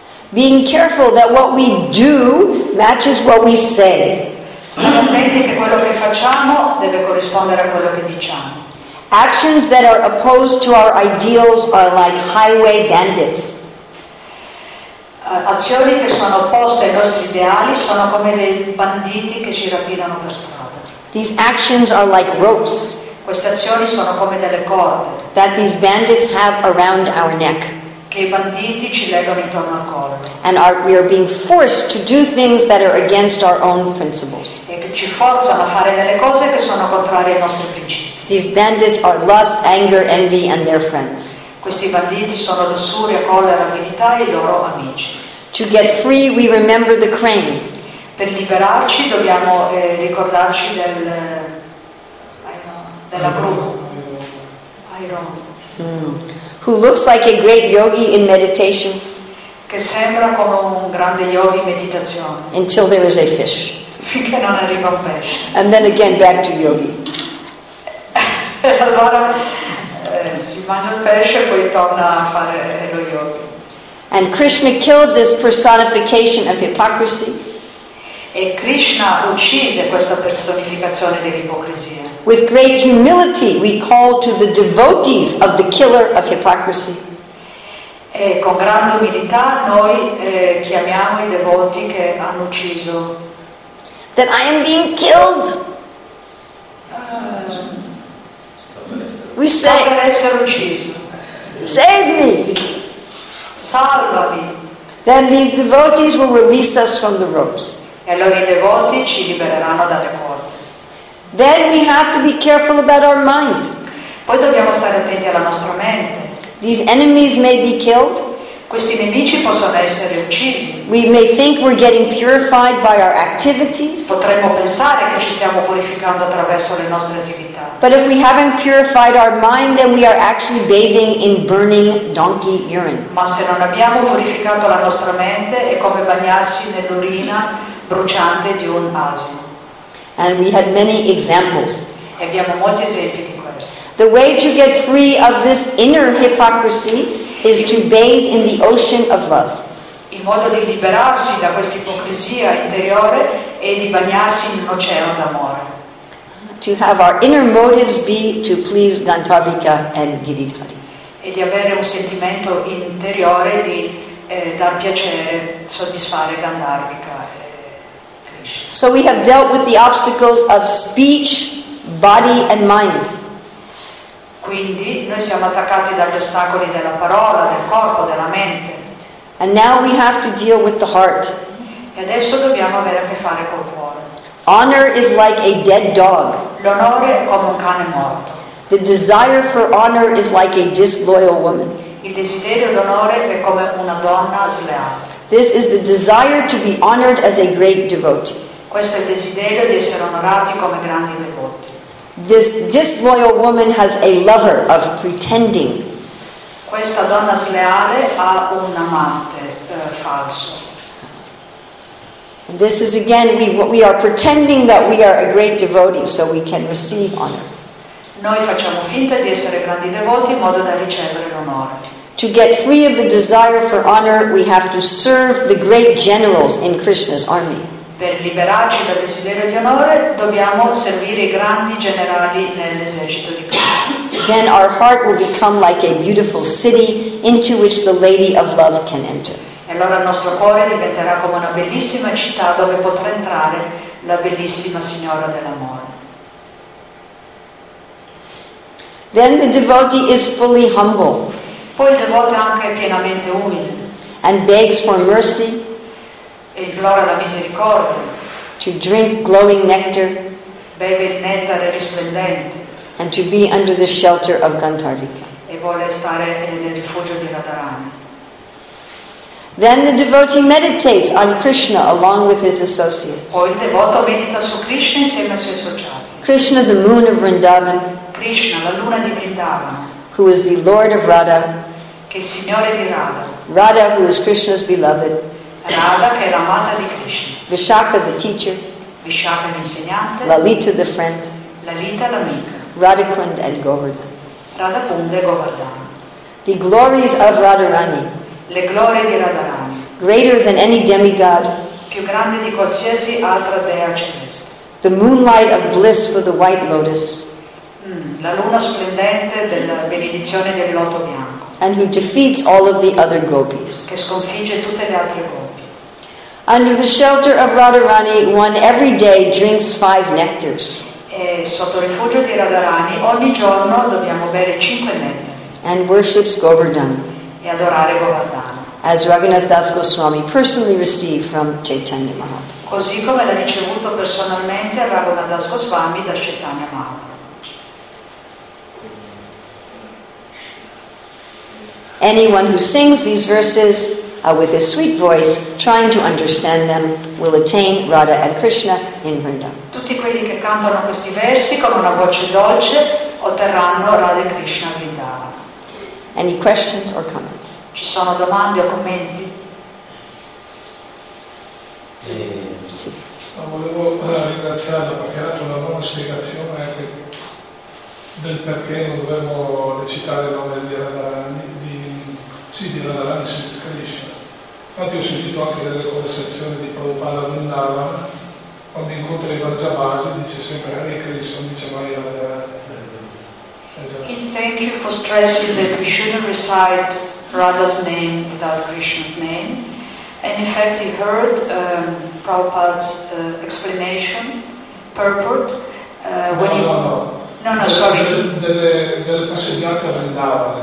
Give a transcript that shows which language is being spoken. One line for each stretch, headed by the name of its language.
English: Being careful that what we do matches what we say.
Italian: Stiamo attenti che quello che facciamo deve corrispondere a quello che diciamo.
English: Actions that are opposed to our ideals are like highway bandits.
Italian: Azioni che sono opposte ai nostri ideali sono come dei banditi che ci rapinano per strada.
English: These actions are like ropes.
Italian: Queste azioni sono come delle corde.
English: That these bandits have around our neck.
Italian: Che i banditi ci legano intorno al collo.
English: And we are being forced to do things that are against our own principles.
Italian: E che ci forzano a fare delle cose che sono contrarie ai nostri principi.
English: These bandits are lust, anger, envy, and their friends.
Italian: Questi banditi sono lussuria, collera, avidità e i loro amici.
English: To get free, we remember the crane.
Italian: Per liberarci, dobbiamo ricordarci della gru.
English: Who looks like a great yogi in meditation?
Italian: Che sembra come un grande yogi in meditazione.
English: Until there is a fish.
Italian: Finché non arriva un pesce.
English: And then again, back to yogi.
Italian: Allora si mangia il pesce e poi torna a fare lo yoga.
English: And Krishna killed this personification of hypocrisy.
Italian: E Krishna uccise questa personificazione dell'ipocrisia.
English: With great humility we call to the devotees of the killer of hypocrisy.
Italian: E con grande umiltà noi chiamiamo i devoti che hanno ucciso.
English: That I am being killed. We say,
Italian: per essere ucciso.
English: Save me.
Italian: Salvami.
English: Then these devotees will release us from the ropes.
Italian: E allora i devoti ci libereranno dalle corde.
English: Then we have to be careful about our mind.
Italian: Poi dobbiamo stare attenti alla nostra mente.
English: These enemies may be killed.
Italian: Questi nemici possono essere uccisi.
English: We may think we're getting purified by our activities.
Italian: Potremmo pensare che ci stiamo purificando attraverso le nostre attività.
English: But if we haven't purified our mind, then we are actually bathing in burning donkey urine.
Italian: Ma se non abbiamo purificato la nostra mente, è come bagnarsi nell'urina bruciante di un asino.
English: And we had many examples.
Italian: E abbiamo molti esempi.
English: The way to get free of this inner hypocrisy is to bathe in the ocean of love.
Italian: Il modo di liberarsi da questa ipocrisia interiore è di bagnarsi in un oceano d'amore.
English: To have our inner motives be to please Dantavika and Giridhari.
Italian: E di avere un sentimento interiore di dar piacere, soddisfare Gandharvika e Krishna.
English: So we have dealt with the obstacles of speech, body and mind.
Italian: Quindi noi siamo attaccati dagli ostacoli della parola, del corpo, della mente.
English: And now we have to deal with the heart.
Italian: E adesso dobbiamo avere a che fare col cuore.
English: Honor is like a dead dog.
Italian: L'onore è come un cane morto.
English: The desire for honor is like a disloyal woman.
Italian: Il desiderio d'onore è come una donna sleale.
English: This is the desire to be honored as a great devotee.
Italian: Questo è il desiderio di essere onorati come grandi devoti.
English: This disloyal woman has a lover of pretending.
Italian: Questa donna sleale ha un amante falso.
English: This is again we are pretending that we are a great devotee so we can receive honor.
Italian: Noi facciamo finta di essere grandi devoti in modo da ricevere l'onore.
English: To get free of the desire for honor, we have to serve the great generals in Krishna's army.
Italian: Per liberarci dal desiderio di onore dobbiamo servire i grandi generali nell'esercito di Krishna.
English: Then our heart will become like a beautiful city into which the lady of love can enter.
Italian: E allora il nostro cuore diventerà come una bellissima città dove potrà entrare la bellissima signora dell'amore.
English: Then the devotee is fully humble.
Italian: Poi il devoto è anche pienamente umile.
English: And begs for mercy.
Italian: E implora la misericordia.
English: To drink glowing nectar.
Italian: Beve il nettare risplendente.
English: And to be under the shelter of Gandharvika.
Italian: E vuole stare nel rifugio di Radharani.
English: Then the devotee meditates on Krishna along with his associates.
Italian: Poi il devoto medita su Krishna insieme ai suoi associati.
English: Krishna, the moon of Vrindavan.
Italian: Krishna, la luna di Vrindavan.
English: Who is the Lord of Radha.
Italian: Che è il signore di Radha.
English: Radha, who is Krishna's beloved.
Italian: Radha, che è l'amata di Krishna.
English: Vishakha, the teacher.
Italian: Vishakha, l'insegnante.
English: Lalita, the friend.
Italian: Lalita, l'amica.
English: Radhakund and Govardhan.
Italian: Radhakund e Govardhan.
English: The glories of Radharani.
Italian: Le glorie di Radharani.
English: Greater than any demigod.
Italian: Più grande di qualsiasi altra dea celeste.
English: The moonlight of bliss for the white lotus.
Italian: La luna splendente della benedizione del loto bianco.
English: And who defeats all of the other gopis.
Italian: Che sconfigge tutte le altre gopi.
English: Under the shelter of Radharani, one every day drinks 5 nectars.
Italian: E sotto il rifugio di Radharani, ogni giorno dobbiamo bere 5 nettari.
English: And worships Govardhan.
Italian: E adorare Govardhan.
English: As Raghunath Das Goswami personally received from Chaitanya Mahaprabhu.
Italian: Così come l'ha ricevuto personalmente Raghunath Das Goswami da Chaitanya Mahaprabhu.
English: Anyone who sings these verses with his sweet voice, trying to understand them, will attain Radha and Krishna in Vrindavan.
Italian: Tutti quelli che cantano questi versi con una voce dolce otterranno Radha e Krishna in Vrindavan.
English: Any questions or comments?
Italian: Ci sono domande o commenti? Sì. Ma volevo ringraziarla perché ha dato una buona spiegazione anche del perché non dovremmo recitare il nome di Radharani. Sì, di Radharani senza Krishna. Infatti ho sentito anche delle conversazioni di Prabhupada Vrindavan, quando incontra i Vrajabhasi dice sempre Hare Krishna, non dice mai Radharani.
English: Thank you for stressing that we shouldn't recite Radha's name without Krishna's name. And in fact, he heard Prabhupada's explanation, purport.
Italian: Delle passeggiate a Vrindavan.